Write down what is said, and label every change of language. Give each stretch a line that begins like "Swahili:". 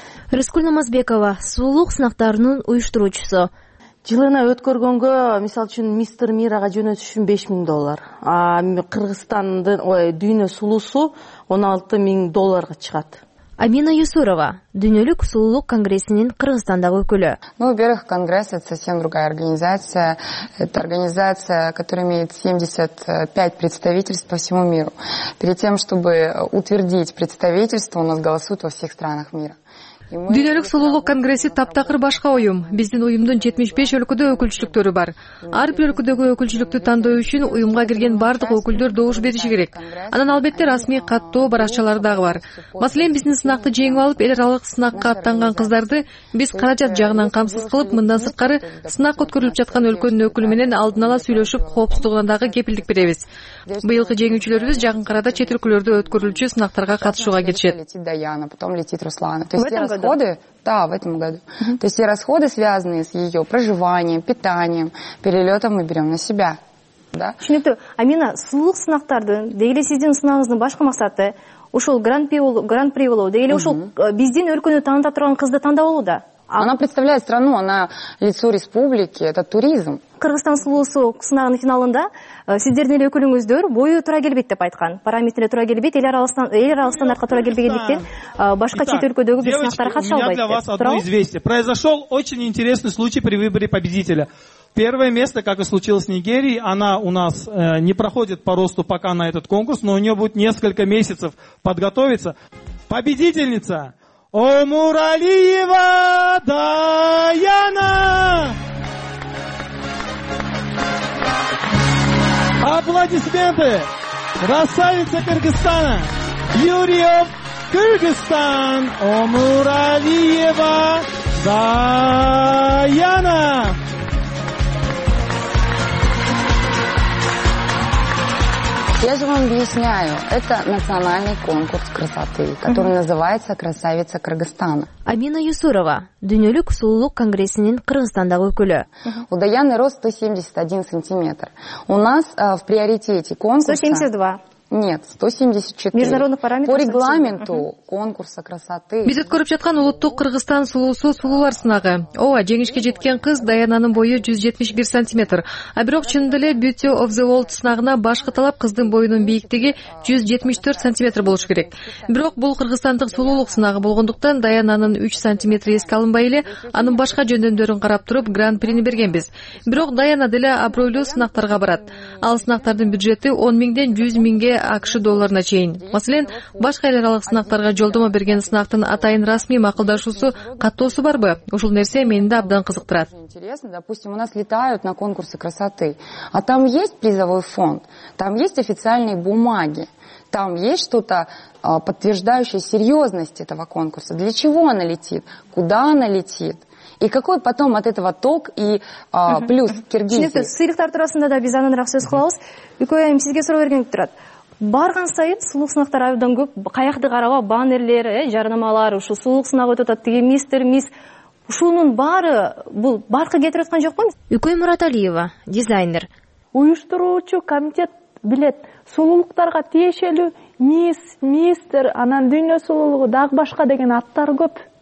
Kyrgyz: Рыскүл Намазбекова, сулуулук сынактарынын уюштуруучусу. Жылына өткөргөнгө мисалы үчүн мистер мирага жөнөтүш үчүн $5,000. Кыргызстандын дүйнө сулуусу $16,000 чыгат. Амина Юсурова, Дүйнөлүк сулуулук конгрессинин Кыргызстандагы өкүлү.
Russian: Ну, во-первых, конгресс это совсем другая организация. Это организация, которая имеет 75 представительств по всему миру. Перед тем, чтобы утвердить представительство, у нас голосуют во всех странах мира.
Kyrgyz: Дүйнөлүк сулуулук конгресси таптакыр башка уюм. Биздин уюмдун 75 өлкөдө өкүлчүлүктөрү бар. Ар бир өлкөдөгү өкүлчүлүктү тандоо үчүн уюмга кирген бардык өкүлдөр добуш бериши керек. Анан албетте расмий каттоо баракчалары дагы бар. Маселен, биздин сынакты жеңип алып, эл аралык сынакка аттанган кыздарды биз каражат жагынан камсыз кылып, мындан сырткары сынак өткөрүлүп жаткан өлкөнүн өкүлү менен алдын ала сүйлөшүп, коопсуздугунан дагы кепилдик беребиз. Быйылкы жеңүүчүлөрүбүз жакын карада чет өлкөлөрдө өткөрүлчү сынактарга катышууга келишет.
Russian: Расходы, да, в этом году. То есть все расходы, связанные с ее проживанием, питанием, перелетом, мы берем на себя. Да?
Kyrgyz: Шунекте, Амина, сулук сынактарды, дейли сиздин сынагыңыздын башка максаты, ушул гран-при болуу, дейли ушул биздин өлкөнү таанта турган кызды тандап алуу да.
Russian: Она представляет страну, она лицо республики, это туризм.
Kyrgyz: Кыргызстан сулуусу сынагынын финалында сиздердин эле өкүлүңүздөр бою туура келбейт деп айткан. Параметрлер туура келбейт, эл аралык стандартка туура келбегендиктен башка чет өлкөдөгү бир сынактарга катыша албайт.
Russian: Для вас одно известие. Произошел очень интересный случай при выборе победителя. Первое место, как и случилось в Нигерии, она у нас не проходит по росту пока на этот конкурс, но у нее будет несколько месяцев подготовиться. Победительница! Омуралиева Даяна! Аплодисменты! Красавица Кыргызстана! Юрьев Кыргызстан! Омуралиева Даяна! Я же вам объясняю, это национальный конкурс красоты, который называется «Красавица Кыргызстана».
Kyrgyz: Амина Юсурова, Дүйнөлүк сулуулук конгрессинин Кыргызстандагы өкүлү.
Russian: У Даяны рост 171 сантиметр. У нас в приоритете конкурса... 172. Нет, 174. Международный параметр. По регламенту конкурса красоты.
Kyrgyz: Биз өткөрүп жаткан улуттук Кыргызстан сулуусу сулуулар сынагы. Ооба, жеңишке жеткен кыз Даянанын бою 171 сантиметр. А бирок чынында эле Beauty of the World сынагына башкы талап кыздын боюнун бийиктиги 174 сантиметр болушу керек. Бирок бул кыргызстандык сулуулук сынагы болгондуктан Даянанын 3 сантиметри эске алынбай эле анын башка жөндөмдөрүн карап туруп гран-прини бергенбиз. Бирок Даяна деле абройлуу сынактарга барат. Ал сынактардын бюджети 10,000-ден 100,000 АКШ долларына чейин. Маселен, башка эл аралык сынактарга жолдомо берген сынактын атайын расмий макулдашуусу, каттоосу барбы? Ушул нерсе мени да абдан кызыктырат.
Russian: Интересно, допустим, у нас летают на конкурсы красоты, а там есть призовой фонд, там есть официальные бумаги, там есть что-то подтверждающее серьезность этого конкурса. Для чего она летит? Куда она летит? И какой потом от этого ток и плюс Киргизии?
Kyrgyz: Сыйлыктар турасында да биз анан сөз кылабыз. Үкөйүм сизге суроо берген турат. Барган сайын сулук сынактар айдан көп. Каякты карабы, баннерлер, жарнамалар, ушул сулук сынагы өтүп атат деген мистер, мисс. Ушунун баары бул баркы кетирип аткан жокпу? Үкөй Мураталиева, дизайнер. Уюштуруучу комитет билет сулулуктарга тиешелүү мисс, мистер, анан дүйнө сулулугу дагы башка деген аттар көп.